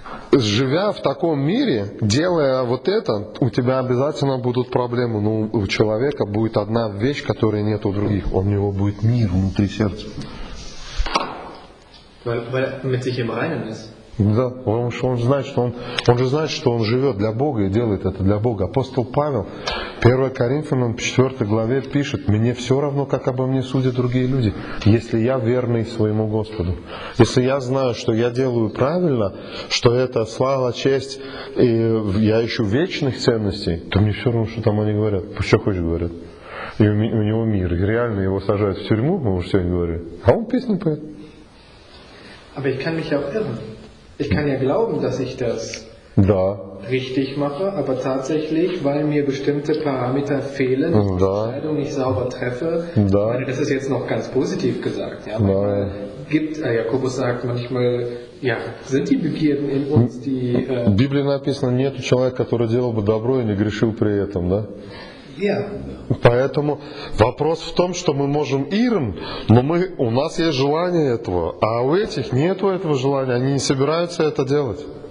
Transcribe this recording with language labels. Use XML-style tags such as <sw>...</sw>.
<ru>Живя в таком мире, делая вот это, у тебя обязательно будут проблемы. Но у человека будет одна вещь, которой нет у других. У него будет мир внутри сердца.</ru> <de>Weil mit sich im Reinen ist.</de> <ru>Да, он же знает, что он живет для Бога и делает это для Бога. Апостол Павел, 1 Коринфянам 4 главе пишет, мне все равно, как обо мне судят другие люди, если я верный своему Господу. Если я знаю, что я делаю правильно, что это слава, честь, и я ищу вечных ценностей, то мне все равно, что там они говорят, пусть что хочешь говорят. И у него мир, и реально его сажают в тюрьму, мы уже сегодня говорили, а он песни поет.</ru> <de>Aber ich kann mich auch irren. Ich kann ja glauben, dass ich das da. Richtig mache, aber tatsächlich, weil mir bestimmte Parameter fehlen, da. Die Entscheidung nicht sauber treffe, da. Ich meine, das ist jetzt noch ganz positiv gesagt. Ja, manchmal gibt, Jakobus sagt manchmal, ja, sind die Begierden in uns, die...</de> <ru>В Библии написано, нет человека, который делал бы добро и не грешил при этом, да? Yeah. Поэтому вопрос в том, что мы можем ирм, но у нас есть желание этого, а у этих нету этого желания, они не собираются это делать.</ru>